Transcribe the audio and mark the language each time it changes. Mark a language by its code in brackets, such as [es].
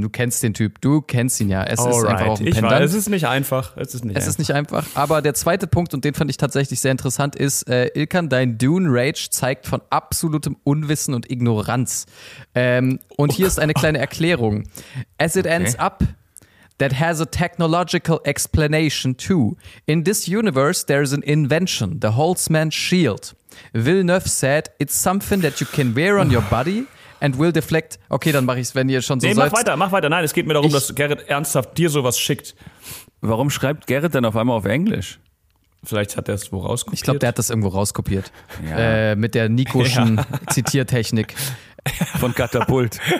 [de] Du kennst den Typ, du kennst ihn ja. Es ist einfach auch ein Pendant. Ich weiß, es ist nicht einfach. Ist nicht einfach. Aber der zweite Punkt, und den fand ich tatsächlich sehr interessant, ist, Ilkan, dein Dune-Rage zeigt von absolutem Unwissen und Ignoranz. Und hier ist eine kleine Erklärung. [en] As it ends up... That has a technological explanation too. In this universe, there is an invention, the Holtzman's shield. Villeneuve said, it's something that you can wear on your body and will deflect. [de] Okay, dann mach ich's, wenn ihr schon so seid. Mach weiter. Nein, es geht mir darum, dass Gerrit ernsthaft dir sowas schickt. Warum schreibt Gerrit denn auf einmal auf Englisch? Vielleicht hat er es wo rauskopiert. Ich glaube, der hat das irgendwo rauskopiert. Ja. Mit der Nikoschen Zitiertechnik. Von Katapult.